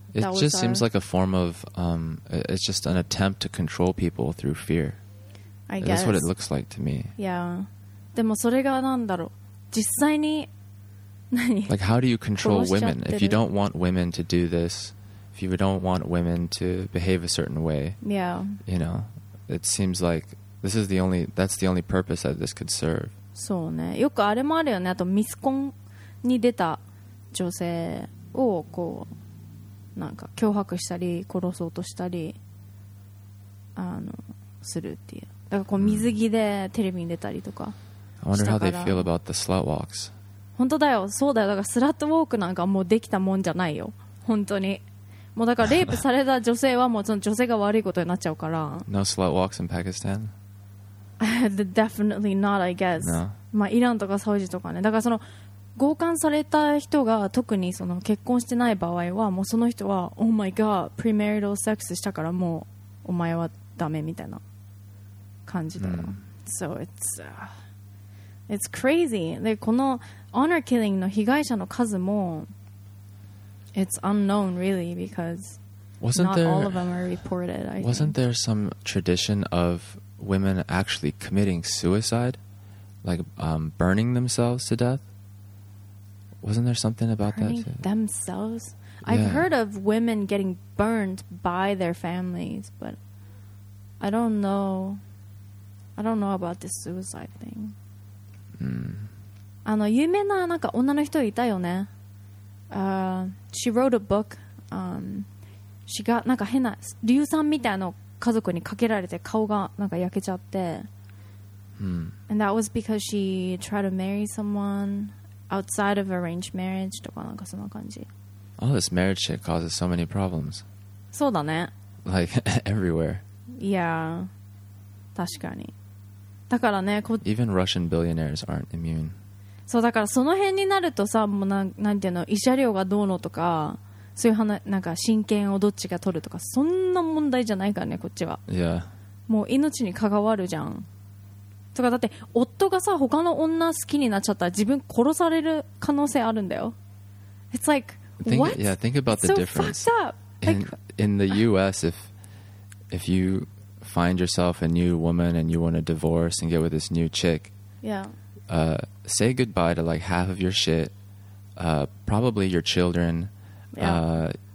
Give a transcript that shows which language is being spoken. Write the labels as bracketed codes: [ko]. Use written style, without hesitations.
[en] It that just seems like a form of it's just an attempt to control people through fear. I guess. That's what it looks like to me. Yeah. [ja] でもそれがなんだろう、実際に何 [en] like how do you control women if you don't want women to do this, if you don't want women to behave a certain way, yeah, you know, it seems like this is the only, that's the only purpose that this could serve. [ja] そうね、よくあれもあるよね、あとミスコンに出た女性をこうなんか脅迫したり殺そうとしたりあのするっていう、だからこう水着でテレビに出たりとか。 [en] I wonder how they feel about the slut walks. [ja] 本当だよ、そうだよ。だからスラットウォークなんかもうできたもんじゃないよ、本当に。もうだからレイプされた女性はもうその女性が悪いことになっちゃうから。 [en] No slut walks in Pakistan? Definitely not, I guess. No. [ja] まあイランとかサウジとかね。だからその強姦された人が特にその結婚してない場合はもうその人は [en] Oh my god [ja] プリマリタルセックスしたからもうお前はダメみたいな感じだよ、うん、 [en] So it's crazy [ja] でこの Honor killing の被害者の数も [en] It's unknown really becauseWasn't there, not all of them are reported, I wasn't think. there some tradition of women actually committing suicide? Like、burning themselves to death? Wasn't there something about burning that? Burning themselves? Yeah. I've heard of women getting burned by their families, but I don't know. I don't know about this suicide thing. [ja] あの、有名ななんか女の人いたよね。 [en] She wrote a book. She got, [ja] なんか変な硫酸みたいな家族にかけられて顔がなんか焼けちゃって、 hmm. [en] And that was because she tried to marry someone outside of arranged marriage [ja] とかなんかそんな感じ [en] All this marriage shit causes so many problems [ja] そうだね [en] Like everywhere Yeah [ja] 確かにだからねこ [en] Even Russian billionaires aren't immune [ja] そうだからその辺になるとさもうなんていうの慰謝料がどうのとかそういう話なんか親権をどっちが取るとかそんな問題じゃないからねこっちは、 [en] yeah. [ja] もう命に関わるじゃんとかだって夫がさ他の女好きになっちゃったら自分殺される可能性あるんだよ [en] It's like think, what? Yeah, think about the so difference fucked up. In the US if you find yourself a new woman and you want to divorce and get with this new chick yeah. Say goodbye to like half of your shit probably your children Yeah.